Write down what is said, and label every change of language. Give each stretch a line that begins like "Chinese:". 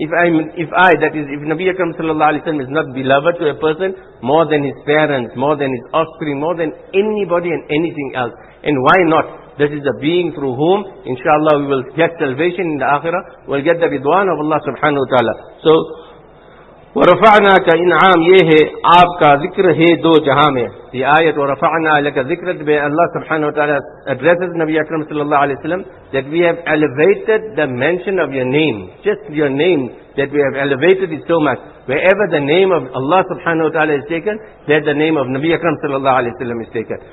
English: If Nabi Akram sallallahu alayhi wa sallam is not beloved to a person more than his parents, more than his offspring, more than anybody and anything else. And why not? This is the being through whom, inshallah, we will get salvation in the akhirah, we'll get the ridwan of Allah subhanahu wa ta'ala. So,
Urdu: ورفعنا کا انعام یہ ہے آپ کا ذکر ہے دو جہاں میں. یہ آیت ورفعنا لک ذکر بے اللہ سبحانہ و تعالیٰ
English: addresses نبی اکرم صلی اللہ علیہ وسلم that we have elevated the mention of your name, just your name that we have elevated it so much. Wherever the name of Allah subhanahu wa ta'ala is taken, there the name of Nabi Akram sallallahu alayhi wa sallam is taken.